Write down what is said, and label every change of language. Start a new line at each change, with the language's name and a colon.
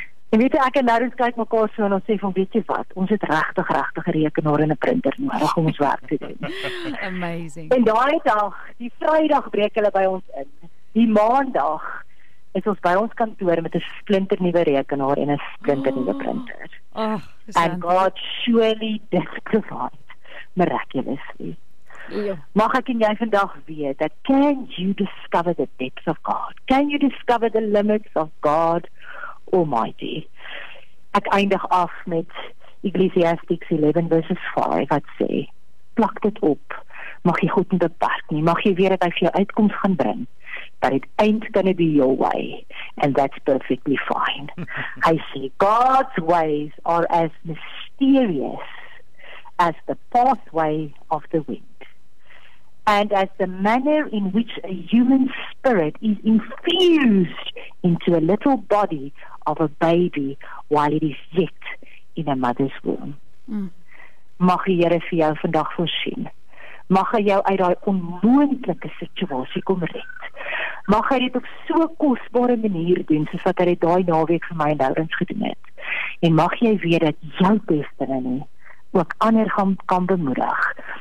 Afrikaans: En weet jy, ek en Laurens kyk mekaar so en ons sê van, weet jy wat, ons het regtig 'n rekenaar en 'n printer nodig om ons werk te doen.
English: Amazing.
Afrikaans: En daai dag, die Vrydag breek hulle by ons in. Die Maandag is ons by ons kantoor met 'n splinternuwe rekenaar en 'n splinternuwe printer. Oh,
English: and God surely did provide miraculously.
Afrikaans: Mag ek en jy vandag weet
English: that can you discover the depths of God? Can you discover the limits of God Almighty?
Afrikaans: Ek eindig af met Ecclesiastes 11:5 wat sê, plak dit op, mag jy God nie beperk nie, mag jy weet dat hy vir jou uitkomst gaan bring,
English: that it ain't gonna be your way and that's perfectly fine. I say God's ways are as mysterious as the pathway of the wind and as the manner in which a human spirit is infused into a little body of a baby while it is yet in a mother's womb.
Afrikaans: Mag die Here vir jou vandag voorsien. Mag hy jou uit daai onmoontlike situasie kom red. Mag hy dit op so kosbare manier doen soos wat hy dit daai naweek vir my en Laurens gedoen het. En mag jy weet dat jou bestemming ook ander gaan kan bemoedig.